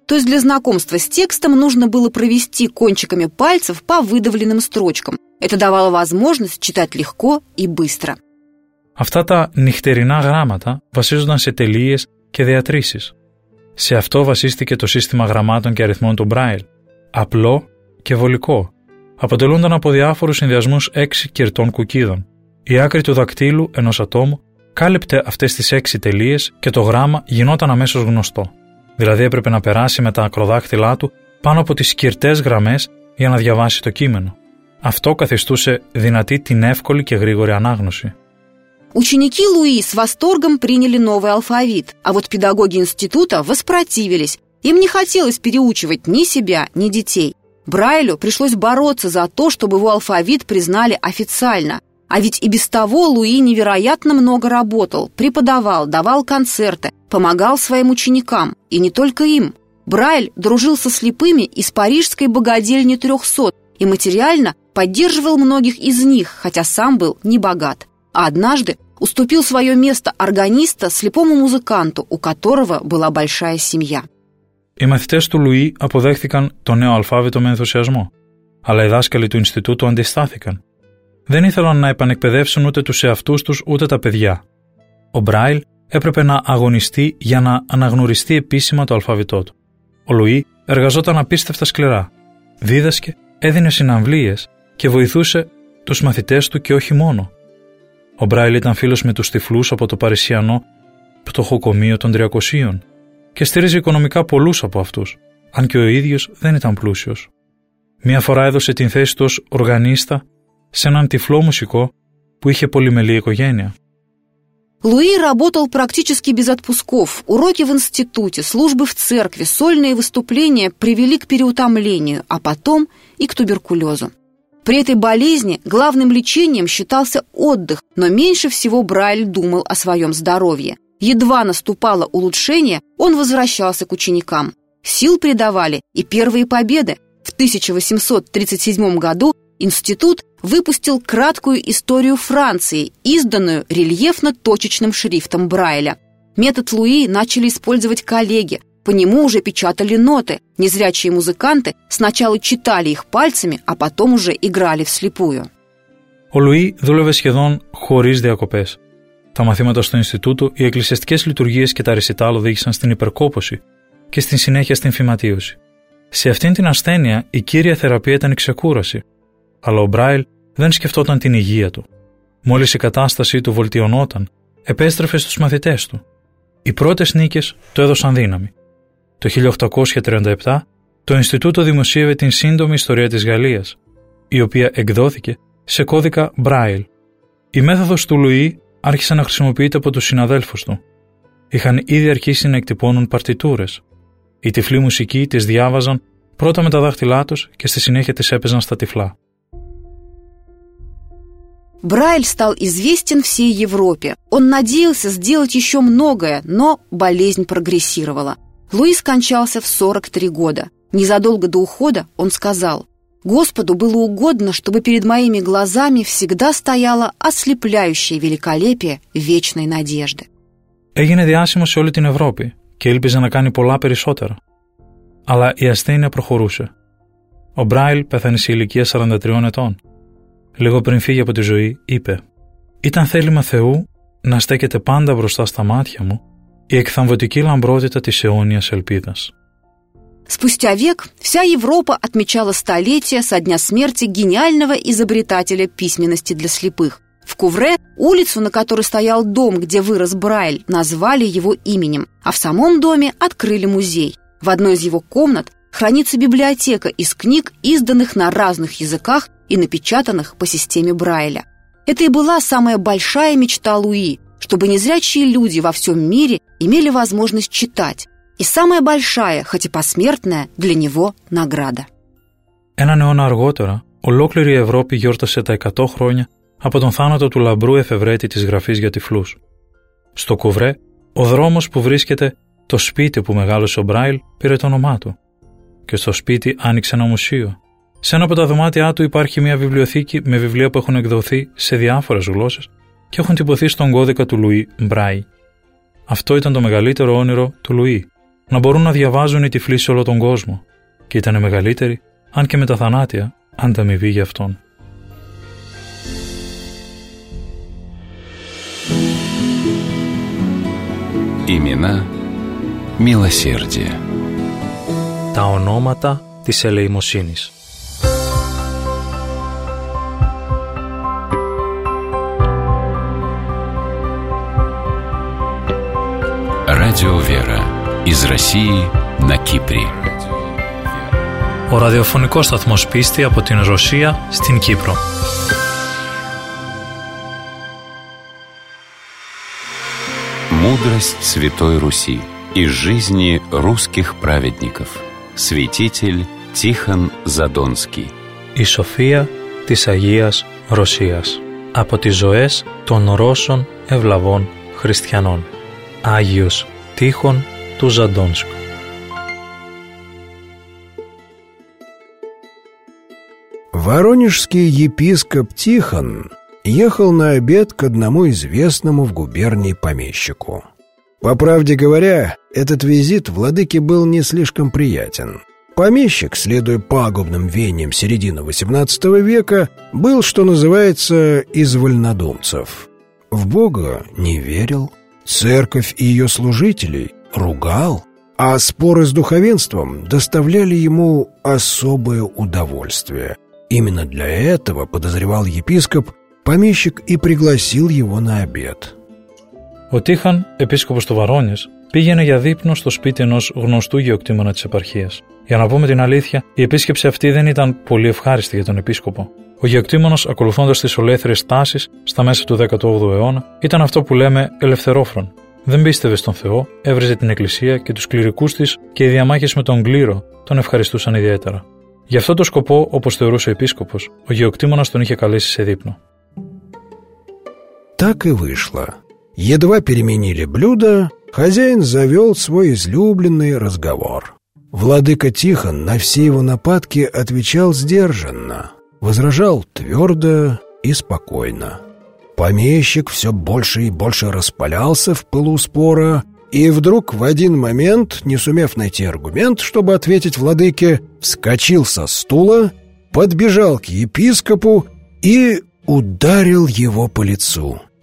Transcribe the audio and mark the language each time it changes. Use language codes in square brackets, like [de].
[ru] То есть для знакомства с текстом нужно было провести кончиками пальцев по выдавленным строчкам. Это давало возможность читать легко и быстро. [el] Αυτά τα νυχτερινά γράμματα βασίζονταν σε τελείες και διατρήσεις. Σε αυτό βασίστηκε το σύστημα γραμμάτων και αριθμών του Μπράιλ. Απλό και βολικό. Αποτελούνταν από διάφορους συνδυασμούς έξι κερτών κουκίδων. Η άκρη του δακτύλου ενός ατόμου κάλυπτε αυτές τις έξι τελείες και το γράμμα γινόταν αμέσως γνωστό. Δηλαδή έπρεπε να περάσει με τα ακροδάχτυλά του πάνω από τις κυρτές γραμμές για να διαβάσει το κείμενο. Αυτό καθιστούσε δυνατή την εύκολη και γρήγορη ανάγνωση. [ru] Ученики Луи с восторгом приняли новый алфавит, а вот педагоги института воспротивились. Им не хотелось переучивать ни себя, ни детей. Брайлю пришлось бороться за то, чтобы его алфавит признали официально. А ведь и без того Луи невероятно много работал, преподавал, давал концерты, помогал своим ученикам, и не только им. Брайль дружил со слепыми из парижской богадельни 300 и материально поддерживал многих из них, хотя сам был небогат. А однажды уступил свое место органиста слепому музыканту, у которого была большая семья. [el] Οι μαθητές του Λουί αποδέχθηκαν το νέο αλφάβητο με ενθουσιασμό, αλλά οι δάσκαλοι του Ινστιτούτου αντιστάθηκαν. Δεν ήθελαν να επανεκπαιδεύσουν ούτε τους εαυτούς τους ούτε τα παιδιά. Ο Μπράιλ έπρεπε να αγωνιστεί για να αναγνωριστεί επίσημα το αλφάβητό του. Ο Λουί εργαζόταν απίστευτα σκληρά. Δίδασκε, έδινε συναυλίες και βοηθούσε τους μαθητές του και όχι μόνο. Ο Μπράιλ ήταν φίλος με τους τυφλούς από το Παρισιανό πτωχοκομείο των 300 και στήριζε οικονομικά πολλούς από αυτούς, αν και ο ίδιος δεν ήταν πλούσιος. Μία φορά έδωσε την θέση του ως οργανίστα σε έναν τυφλό μουσικό που είχε πολυμελή οικογένεια. [ru] Луи работал практически без отпусков. Уроки в институте, службы в церкви, сольные выступления привели к переутомлению, а потом и к туберкулезу. При этой болезни главным лечением считался отдых, но меньше всего Брайль думал о своем здоровье. Едва наступало улучшение, он возвращался к ученикам. Сил придавали и первые победы. В 1837 году институт выпустил краткую историю Франции, изданную рельефно-точечным шрифтом Брайля. Метод Луи начали использовать коллеги. По нему уже печатали ноты. Незрячие музыканты сначала читали их пальцами, а потом уже играли вслепую. [el] Ο Λουί δούλευε σχεδόν χωρίς διακοπές. Τα μαθήματα στο Ινστιτούτο, οι εκκλησιαστικές λειτουργίες και τα ρεσιτάλ οδήγησαν στην υπερκόπωση και στη συνέχεια στην φυματίωση. Σε αυτήν την ασθένεια, η κύρια θεραπεία ήταν η ξεκούραση. Αλλά ο Μπράιλ δεν σκεφτόταν την υγεία του. Μόλις η κατάστασή του βολτιωνόταν, επέστρεφε στους μαθητές του. Οι πρώτες νίκες του έδωσαν δύναμη. Το 1837 το Ινστιτούτο δημοσίευε την σύντομη ιστορία της Γαλλίας, η οποία εκδόθηκε σε κώδικα Μπράιλ. Η μέθοδος του Λουί άρχισε να χρησιμοποιείται από τους συναδέλφους του. Είχαν ήδη αρχίσει να εκτυπώνουν παρτιτούρες. Οι τυφλοί μουσικοί τις διάβαζαν πρώτα με τα δάχτυλά τους και στη συνέχεια τις έπαιζαν στα τυφλά. [ru] Брайль стал известен всей Европе. Он надеялся сделать еще многое, но болезнь прогрессировала. Луи скончался в 43 года. Незадолго до ухода он сказал: «Господу было угодно, чтобы перед моими глазами всегда стояло ослепляющее великолепие вечной надежды». [el] Έγινε διάσημος σε όλη την Ευρώπη και ήλπιζε να κάνει πολλά περισσότερα. Αλλά η ασθένεια προχωρούσε. Ο Μπράιλ πέθανε σε ηλικία 43 ετών. Λίγο πριν φύγει από τη ζωή, είπε: «Ήταν θέλημα Θεού να στέκεται πάντα μπροστά στα μάτια μου η εκθαμβωτική λαμπρότητα της αιώνιας ελπίδας». [ru] Спустя век вся Европа отмечала столетие со дня смерти гениального изобретателя письменности для слепых. В Кувре улицу, на которой стоял дом, где вырос Брайль, назвали его именем, а в самом доме открыли музей. В одной из его комнат хранится библиотека из книг, изданных на разных языках и напечатанных по системе Брайля. Это и была самая большая мечта Луи, чтобы незрячие люди во всем мире имели возможность читать. И самая большая, хоть и посмертная, для него награда. [el] Έναν αιώνα αργότερα, ολόκληρη η Ευρώπη γιόρτασε τα 100 χρόνια από τον θάνατο του λαμπρού εφευρέτη της Γραφής για Τυφλούς. Στο Κουβρέ, ο δρόμος που βρίσκεται το σπίτι που μεγάλωσε ο Μπράιλ πήρε το όνομά του. Και στο σπίτι άνοιξε ένα μουσείο. Σε ένα από τα δωμάτια του υπάρχει μια βιβλιοθήκη με βιβλία που έχουν εκδοθεί σε διάφορες γλώσσες και έχουν τυπωθεί στον κώδικα του Λουί Μπράιλ. Αυτό ήταν το μεγαλύτερο όνειρο του Λουί. Να μπορούν να διαβάζουν οι τυφλοί σε όλο τον κόσμο. Και ήταν μεγαλύτεροι, αν και με τα θανάτια, ανταμοιβή για αυτόν. [ru] Имена милосердия. [el] Τα ονόματα της ελεημοσύνης. [ru] Радио Вера из России на Кипре. [el] Ο ραδιοφωνικός σταθμός πίστη από την Ρωσία στην Κύπρο. [ru] Мудрость Святой Руси из жизни русских праведников. Святитель Тихон Задонский. [el] Η Σοφία της Αγίας Ρωσίας. Από τις ζωές των Ρώσων ευλαβών χριστιανών. Άγιος Τίχων του Ζαντόνσκου. [ru] Воронежский епископ Тихон ехал на обед к одному известному в губернии помещику. По правде говоря, этот визит владыке был не слишком приятен. Помещик, следуя пагубным веяниям середины XVIII века, был, что называется, из вольнодумцев. В Бога не верил, церковь и ее служителей ругал, а споры с духовенством доставляли ему особое удовольствие. Именно для этого, подозревал епископ, помещик и пригласил его на обед. [el] Ο Τίχον, επίσκοπος του Βαρόνιες, πήγαινε για δείπνο στο σπίτι ενός γνωστού γεωκτήμονα της επαρχίας. Για να πούμε την αλήθεια, η επίσκεψη αυτή δεν ήταν πολύ ευχάριστη για τον επίσκοπο. Ο γεωκτήμονας, ακολουθώντας τις ολέθριες τάσεις στα μέσα του 18ου αιώνα, ήταν αυτό που λέμε ελευθερόφρον. Δεν πίστευε στον Θεό, έβριζε την Εκκλησία και τους κληρικούς της και οι διαμάχες με τον κλήρο τον ευχαριστούσαν ιδιαίτερα. Γι' αυτό το σκοπό, όπως θεωρούσε ο επίσκοπος, ο γεωκτήμονας τον είχε καλέσει σε δείπνο. [ru] Так и вышло. Едва переменили блюда, хозяин завел свой излюбленный разговор. Владыка Тихон на все его нападки отвечал сдержанно, возражал твердо и спокойно. Помещик все больше и больше распалялся в пылу спора, и вдруг в один момент, не сумев найти аргумент, чтобы ответить владыке, вскочил со стула, подбежал к епископу и ударил его по лицу.